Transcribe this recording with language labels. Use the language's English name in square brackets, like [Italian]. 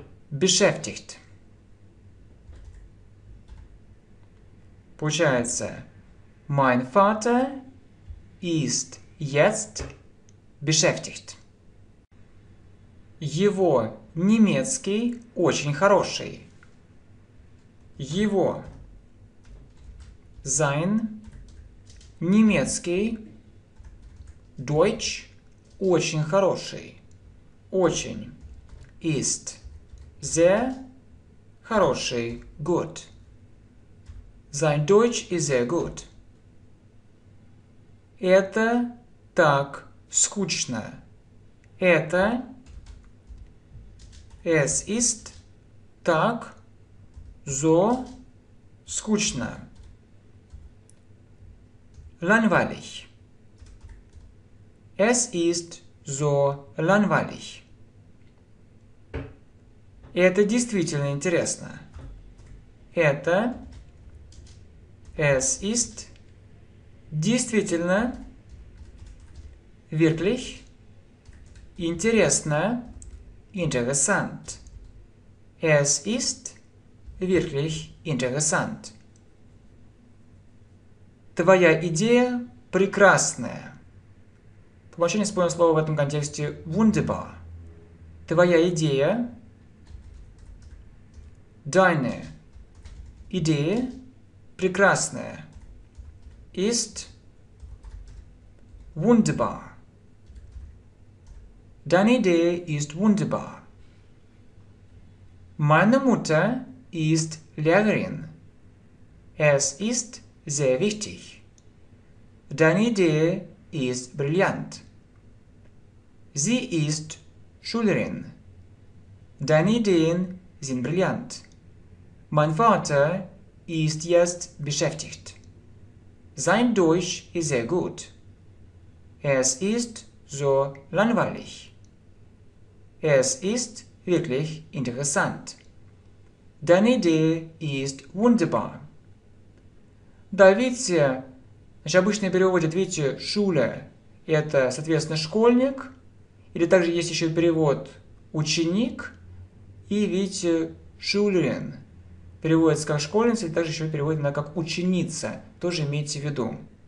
[German] Beschäftigt. [Russian] Получается, [German] mein Vater ist jetzt beschäftigt. [Russian] Его немецкий очень хороший. Его. [German] Sein. [Russian] Немецкий. [German] Deutsch. [Russian] Очень хороший. Очень. [German] Ist. Sehr. [Russian] Хороший. [English] Good. [German] Sein Deutsch is sehr [English] good. [Russian] Это так скучно. Это. [German] Es ist [Russian] так [German] so [Russian] скучно. [German] Langweilig. Es ist so langweilig. [Russian] Это действительно интересно. Это. [German] Es ist [Russian] действительно. [German] Wirklich. [Russian] Интересно. [German] Interessant. Es ist wirklich interessant. [Russian] Твоя идея прекрасная. По умолчанию используем слово в этом контексте wunderbar. Твоя идея. [German] Deine Idee [Russian] прекрасная. [German] Ist wunderbar. Deine Idee ist wunderbar. Meine Mutter ist Lehrerin. Es ist sehr wichtig. Deine Idee ist brillant. Sie ist Schülerin. Deine Ideen sind brillant. Mein Vater ist jetzt beschäftigt. Sein Deutsch ist sehr gut. Es ist so langweilig. Es ist wirklich interessant. Deine Idee ist wunderbar. [Russian] Да, Витя, значит, обычный перевод от Вити «Шуле» – это, соответственно, школьник, или также есть еще перевод «ученик» и Вити «Шулерин». Переводится как «школьница», или также еще переводится она как «ученица». Тоже имейте в виду.